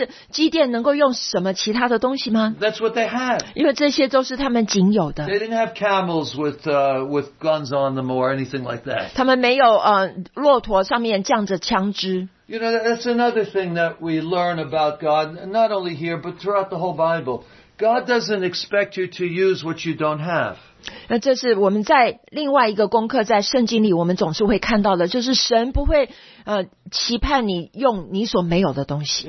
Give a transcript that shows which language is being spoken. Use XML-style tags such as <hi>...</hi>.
<zh>但是而且火把这些都不是好的武器。但是基甸能够用什么其他的东西吗?</zh> <en>That's what they had.</en> <zh>因为这些都是他们仅有的。</zh> <en>They didn't have camels with guns on them or anything like that.</en> <zh>他们没有骆驼上面降着枪支。</zh> <en>You know, that's another thing that we learn about God, not only here but throughout the whole Bible. God doesn't expect you to use what you don't have.</en> <zh>那这是我们在另外一个功课在圣经里我们总是会看到的，就是神不会期盼你用你所没有的东西。</zh>